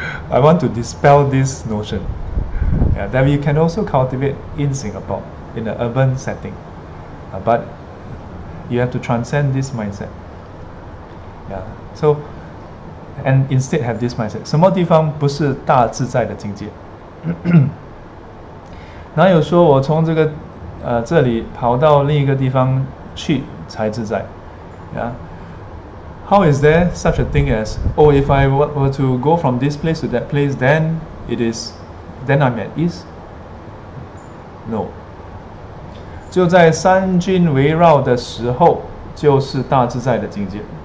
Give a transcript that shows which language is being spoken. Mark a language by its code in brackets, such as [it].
[en] I want to dispel this notion, yeah, that we can also cultivate in Singapore, in an urban setting, but you have to transcend this mindset. Yeah, so, and instead have this mindset. [zh] 什么地方不是大自在的境界？哪有说我从这个这里跑到另一个地方去才自在？ Yeah. [en] how is there such a thing as, oh, if I were to go from this place to that place, then it is, then I'm at ease? No. [zh] 就在三军围绕的时候，就是大自在的境界。